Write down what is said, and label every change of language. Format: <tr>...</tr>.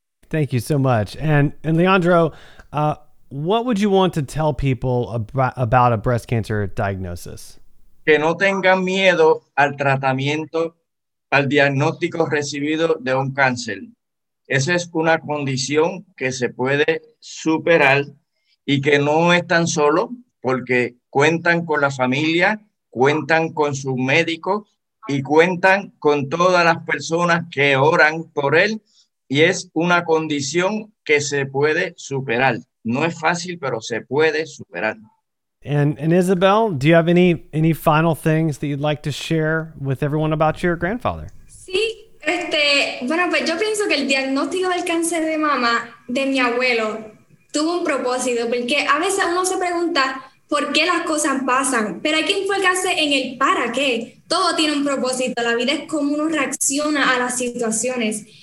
<en>Thank you so much. And Leandro, what would you want to tell people about a breast cancer diagnosis?</en> <es>Que no tengan miedo al tratamiento, al diagnóstico recibido de un cáncer. Esa es una condición que se puede superar y que no están solo porque cuentan con la familia, cuentan con su médico y cuentan con todas las personas que oran por él, y es una condición que se puede superar. No es fácil, pero se puede superar.</es> <en>And Isabel, do you have any final things that you'd like to share with everyone about your grandfather?</en> <es>Sí, bueno, pues yo pienso que el diagnóstico del cáncer de mama de mi abuelo tuvo un propósito, porque a veces uno se pregunta por qué las cosas pasan, pero hay que enfocarse en el para qué. Todo tiene un propósito, la vida es como uno reacciona a las situaciones.</es>